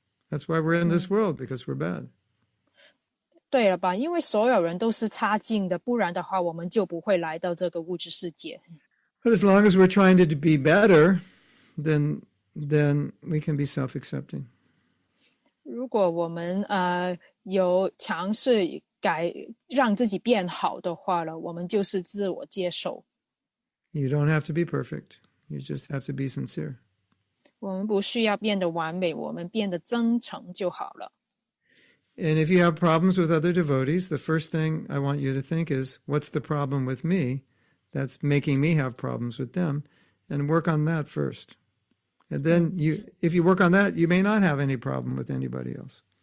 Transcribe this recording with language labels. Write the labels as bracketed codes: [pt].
[en] That's why we're in this world, because we're bad. [zh] 对了吧，因为所有人都是差劲的，不然的话，我们就不会来到这个物质世界。 [en] But as long as we're trying to be better, then we can be self-accepting. [zh] 如果我们有尝试让自己变好的话了，我们就是自我接受。 [en] You don't have to be perfect. You just have to be sincere. [zh] 我们不需要变得完美，我们变得真诚就好了。 [en] And if you have problems with other devotees, the first thing I want you to think is, what's the problem with me that's making me have problems with them? And work on that first. And then if you work on that, you may not have any problem with anybody else.